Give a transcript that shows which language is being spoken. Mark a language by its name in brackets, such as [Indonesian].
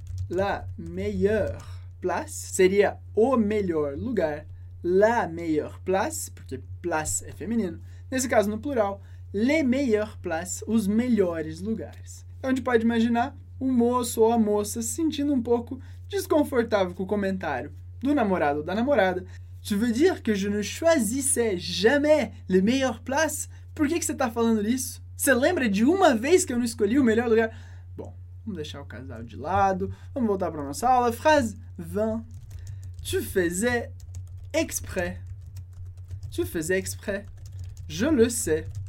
[French] La meilleure place [Portuguese] seria o melhor lugar. [French] La meilleure place, [Portuguese] porque place é feminino. Nesse caso, no plural, [French] les meilleures places, [Portuguese] os melhores lugares. Então, a gente pode imaginar o moço ou a moça se sentindo um pouco desconfortável com o comentário do namorado ou da namorada. [French] Tu veux dire que je ne choisissais jamais les meilleures places? [Portuguese] Por que você está falando isso? Você lembra de uma vez que eu não escolhi o melhor lugar? Bom, vamos deixar o casal de lado. Vamos voltar para nossa aula. [French] Phrase 20. Tu faisais exprès. Tu faisais exprès. Je le sais.